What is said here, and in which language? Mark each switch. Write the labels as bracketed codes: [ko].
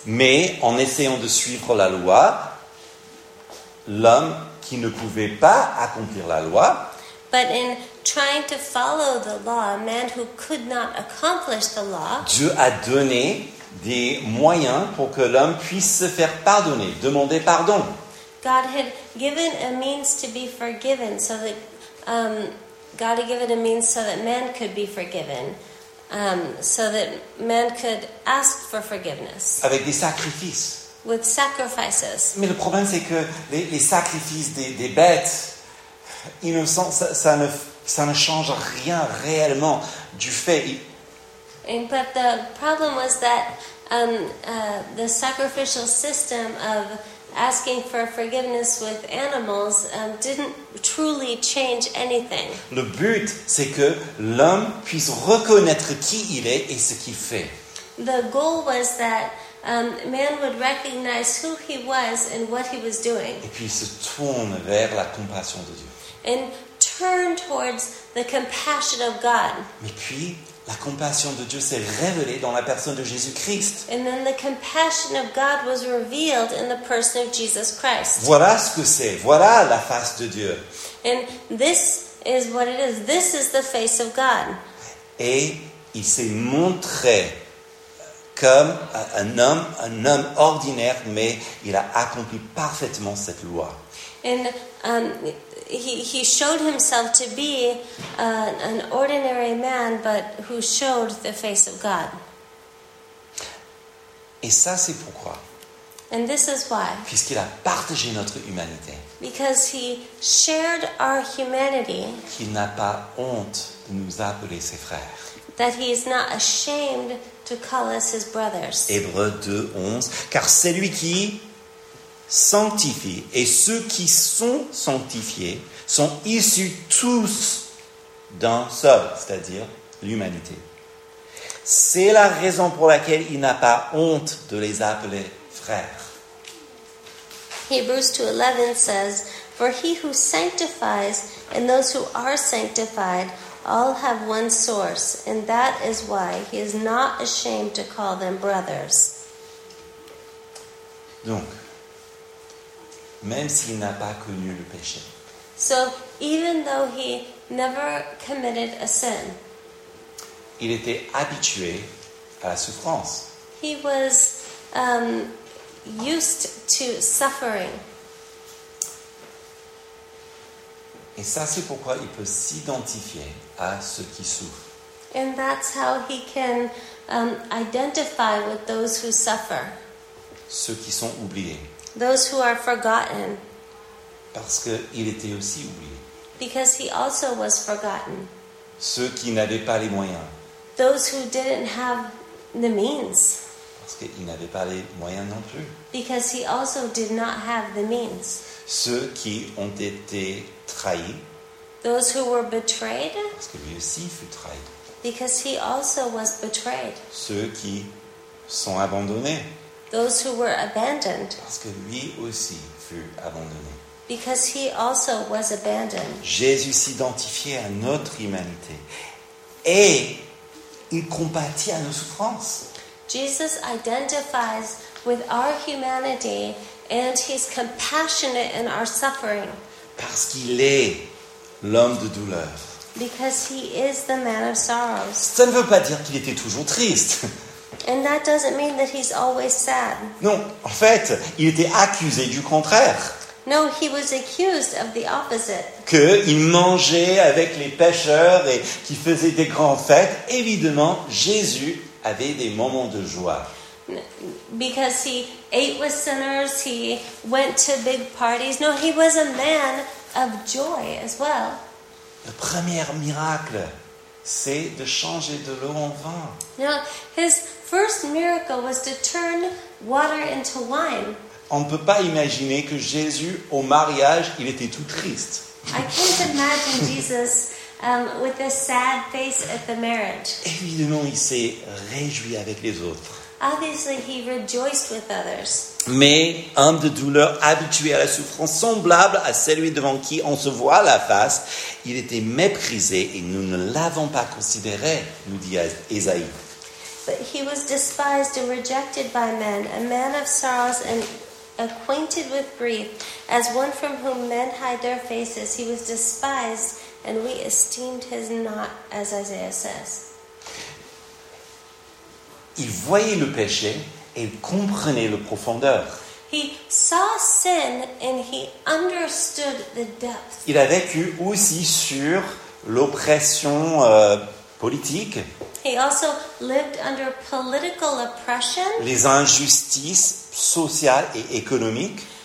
[fr] Mais en essayant de suivre la loi, l'homme qui ne pouvait pas accomplir la loi, [en] but in trying to follow the law, a man who could not accomplish the law, [fr] Dieu a donné des moyens pour que l'homme puisse se faire pardonner, demander pardon. [en] God had given a means to be forgiven, so that God had given a means so that man could be forgiven, so that man could ask for forgiveness. [fr] Avec des sacrifices. [en] With sacrifices. [fr] Mais le problème, c'est que les sacrifices des bêtes, innocent, ça ne change rien réellement du fait. [en] But the problem was that the sacrificial system of asking for forgiveness with animals didn't truly change anything. [fr] Le but, c'est que l'homme puisse reconnaître qui il est et ce qu'il fait. [en] The goal was that man would recognize who he was and what he was doing. [fr] Et puis il se tourne vers la compassion de Dieu. [en] And turn towards the compassion of God. [fr] Mais puis, la compassion de Dieu s'est révélée dans la personne de Jésus-Christ. [en] And then the compassion of God was revealed in the person of Jesus Christ. [fr] Voilà ce que c'est. Voilà la face de Dieu. [en] And this is what it is. This is the face of God. [fr] Et il s'est montré comme un homme ordinaire, mais il a accompli parfaitement cette loi. [en] And he showed himself to be an ordinary man, but who showed the face of God. [fr] Et ça, c'est pourquoi. [en] And this is why. [fr] Puisqu'il a partagé notre humanité. [en] Because he shared our humanity. [fr] Qu'il n'a pas honte de nous appeler ses frères. [en] That he is not ashamed to call us his brothers. [fr] Hébreux 2, 11. Car c'est lui qui sanctifie, et ceux qui sont sanctifiés sont issus tous d'un seul, c'est-à-dire l'humanité. C'est la raison pour laquelle il n'a pas honte de les appeler frères. [en] Hebrews 2:11 says, for he who sanctifies and those who are sanctified all have one source, and that is why he is not ashamed to call them brothers. [fr] Donc, même s'il n'a pas connu le péché. [en] So, even though he never committed a sin, [fr] il était habitué à la souffrance. [en] He was used to suffering. [fr] Et ça, c'est pourquoi il peut s'identifier à ceux qui souffrent. [en] And that's how he can identify with those who suffer. [fr] Ceux qui sont oubliés. [en] Those who are forgotten. [fr] Parce qu'il était aussi oublié. [en] Because he also was forgotten. [fr] Ceux qui n'avaient pas les moyens. [en] Those who didn't have the means. [fr] parce qu'il n'avait pas les moyens non plus. [en] Because he also did not have the means. [fr] Ceux qui ont été trahis. [en] Those who were betrayed. [fr] Parce que lui aussi fut trahi. [en] Because he also was betrayed. [fr] Ceux qui sont abandonnés. [en] Those who were abandoned. [fr] Parce que lui aussi fut abandonné. [en] Because he also was abandoned. [fr] Jésus s'identifiait à notre humanité et il compatit à nos souffrances. [en] Jesus identifies with our humanity and he's compassionate in our suffering. [fr] Parce qu'il est l'homme de douleur. [en] Because he is the man of sorrows. [fr] Ça ne veut pas dire qu'il était toujours triste. [en] And that doesn't mean that he's always sad. [fr] Non, en fait, il était accusé du contraire. [en] No, he was accused of the opposite. [fr] Que il mangeait avec les pêcheurs et qu'il faisait des grandes fêtes. Évidemment, Jésus avait des moments de joie. [en] Because he ate with sinners, he went to big parties. No, he was a man of joy as well. [fr] Le premier miracle, c'est de changer de l'eau en vin. [en] Now, his first miracle was to turn water into wine. [fr] On ne peut pas imaginer que Jésus, au mariage, il était tout triste. [en] I can't imagine Jesus with a sad face at the marriage. [fr] Évidemment, il s'est réjoui avec les autres. [en] Obviously, he rejoiced with others. [fr] Mais homme de douleur, habitué à la souffrance, semblable à celui devant qui on se voit la face, il était méprisé et nous ne l'avons pas considéré, nous dit Ésaïe. [en] But he was despised and rejected by men, a man of sorrows and acquainted with grief, as one from whom men hide their faces. He was despised, and we esteemed his not, as Isaiah says. [fr] Il voyait le péché et comprenait la profondeur. [en] He saw sin and he understood the depth. [fr] Il a vécu aussi sur l'oppression politique. [en] He also lived under political oppression. [fr] Les injustices sociales et économiques.